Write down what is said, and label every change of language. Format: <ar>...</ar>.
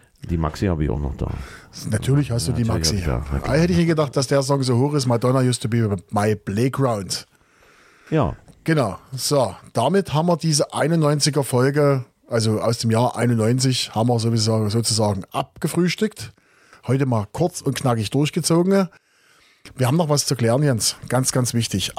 <de>Die Maxi habe ich auch noch da. Natürlich hast du ja, die Maxi. Ja, hätte ich nicht gedacht, dass der Song so hoch ist.</de> <en>Madonna used to be my playground.</en> <de>Ja. Genau. So, damit haben wir diese 91er Folge, also aus dem Jahr 91, haben wir sowieso sozusagen abgefrühstückt. Heute mal kurz und knackig durchgezogen. Wir haben noch was zu klären, Jens. Ganz, ganz wichtig.</de>